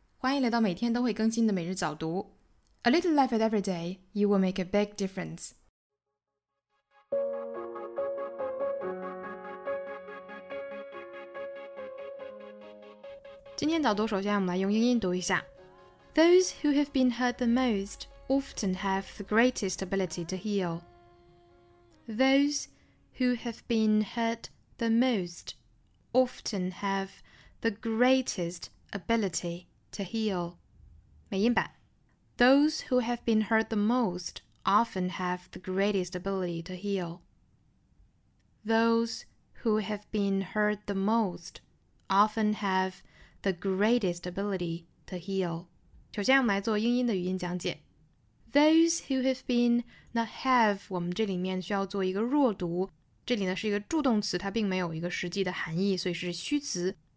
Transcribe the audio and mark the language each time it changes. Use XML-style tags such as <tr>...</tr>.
<zh>欢迎来到每天都会更新的每日早读。</zh> <en>A little life at every day, you will make a big difference.</en> <zh>今天早读首先我们来用英音读一下。</zh> <en>Those who have been hurt the most often have the greatest ability to heal. Those who have been hurt the most often have... The greatest ability to heal.</en> <zh>美音版</zh> <en>Those who have been hurt the most often have the greatest ability to heal. Those who have been hurt the most often have the greatest ability to heal.</en> <zh>首先我们来做英音的语音讲解。</zh> <en>Those who have been,</en> <zh>那 have, 我们这里面需要做一个弱读。这里呢是一个助动词，它并没有一个实际的含义，所以是虚词。</zh>